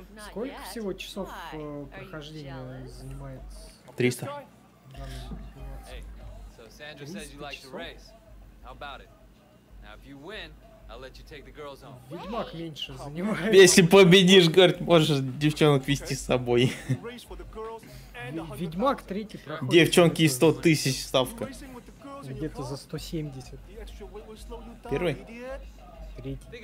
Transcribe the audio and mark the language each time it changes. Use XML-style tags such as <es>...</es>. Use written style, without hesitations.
<ru>Сколько всего часов прохождения занимает? 300.</ru> <en>So Sandra says you like to race. How about it? Now if you win, I'll let you take the girls home.</en> <ru>Ведьмак меньше занимает. Если победишь, говорит, можешь девчонок вести с собой. Ведьмак третий проходит. Девчонки и 100 тысяч ставка. Где-то за 170. Первый? Третий.</ru>